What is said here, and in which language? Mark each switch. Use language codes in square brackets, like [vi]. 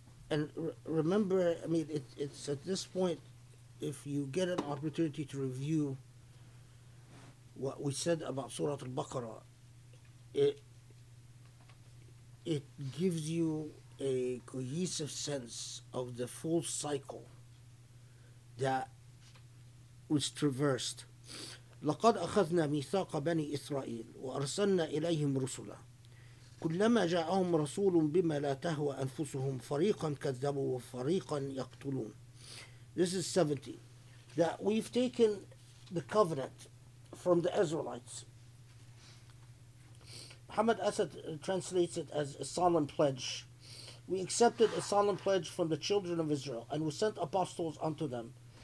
[en] And remember, I mean, it's at this point, if you get an opportunity to review what we said about Surah Al-Baqarah, it gives you a cohesive sense of the full cycle that was traversed. [ar] لقد أخذنا ميثاق بني إسرائيل وأرسلنا إليهم رسلا كلما جاءهم رسول بما لا تهوى أنفسهم فريقا كذبوا وفريقا يقتلون. [en] This is 70. That we've taken the covenant from the Israelites. Muhammad Asad translates it as a solemn pledge. We accepted a solemn pledge from the children of Israel, and we sent apostles unto them.